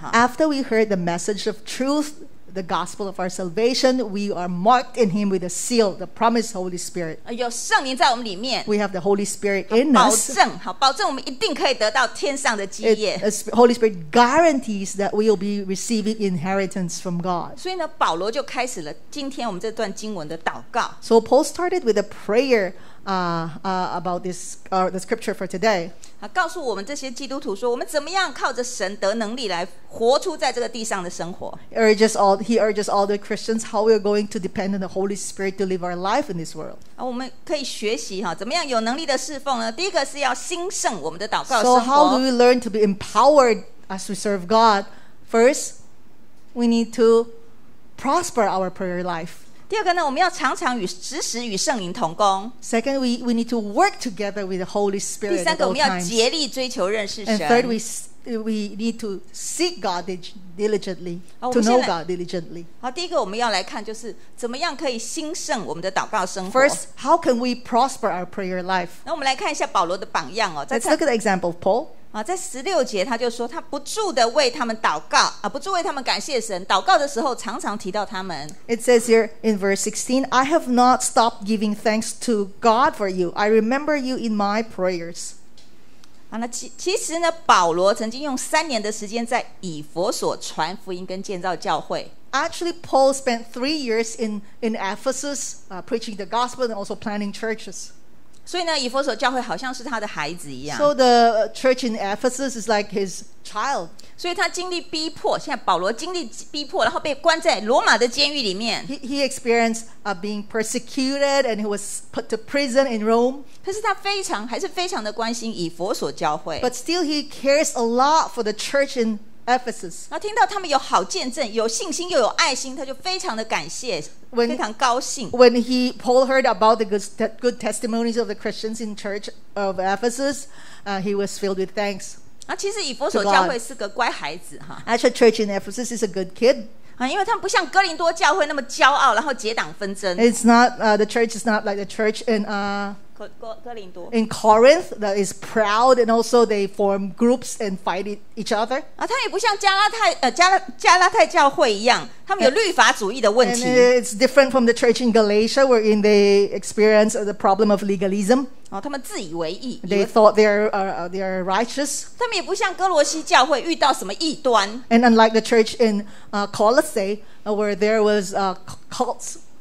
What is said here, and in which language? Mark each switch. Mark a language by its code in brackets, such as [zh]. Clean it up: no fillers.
[en] After we heard the message of truth, the gospel of our salvation, we are marked in him with a seal, the promised Holy Spirit. [zh] 有圣灵在我们里面。 [en] We have the Holy Spirit in us. [zh] 保证我们一定可以得到天上的基业。 [en] The Holy Spirit guarantees that we will be receiving inheritance from God. [zh] 所以呢，保罗就开始了今天我们这段经文的祷告。 [en] So Paul started with a prayer. About this, the scripture for today. [zh] 告诉我们这些基督徒说，我们怎么样靠着神得能力来活出在这个地上的生活。 [en] He urges all the Christians how we are going to depend on the Holy Spirit to live our life in this world. [zh] 我们可以学习怎么样有能力的侍奉呢？第一个是要兴盛我们的祷告生活。 [en] So how do we learn to be empowered as we serve God? First, we need to prosper our prayer life. [zh] 第二个呢，我们要常常与执事与圣灵同工。 [en] Second, we need to work together with the Holy Spirit. [zh] 第三个，我们要竭力追求认识神。 [en] And third, we need to seek God diligently, to know God diligently. [zh] 好，第一个我们要来看就是怎么样可以兴盛我们的祷告生活。 [en] First, how can we prosper our prayer life? [zh] 那我们来看一下保罗的榜样哦。 [en] Let's look at the example of Paul. [zh] 在十六节他就说他不住的为他们祷告不住为他们感谢神祷告的时候常常提到他们 [en] It says here in verse 16 I have not stopped giving thanks to God for you I remember you in my prayers [zh] 其实呢保罗曾经用三年的时间在以弗所传福音跟建造教会 [en] Actually Paul spent 3 years in Ephesus preaching the gospel and also planting churches [zh] 所以呢，以弗所教会好像是他的孩子一样。 [en] So the church in Ephesus is like his child. [zh] 所以他经历逼迫，现在保罗经历逼迫，然后被关在罗马的监狱里面。 [en] He experienced being persecuted and he was put to prison in Rome. [zh] 可是他还是非常的关心以弗所教会。 [en] But still he cares a lot for the church in Ephesus. [zh] 然后听到他们有好见证，有信心又有爱心，他就非常的感谢。 [en] When Paul heard about the good testimonies of the Christians in church of Ephesus, he was filled with thanks. [zh] 其实以弗所教会是个乖孩子哈。 [en] Actually, church in Ephesus is a good kid. [zh] 因为他们不像哥林多教会那么骄傲，然后结党纷争。 [en] It's not the church is not like the church in [zh] 哥林多 [en] in Corinth that is proud and also they form groups and fight each other. [zh] 他也不像加拉太教会一样。他们有律法主义的问题。 [en] And it's different from the church in Galatia, wherein they experience the problem of legalism. [zh] 他们自以为义。 [en] They thought they are righteous. [zh] 他们也不像哥罗西教会遇到什么异端。 [en] And unlike the church in Colossae, where there was cults.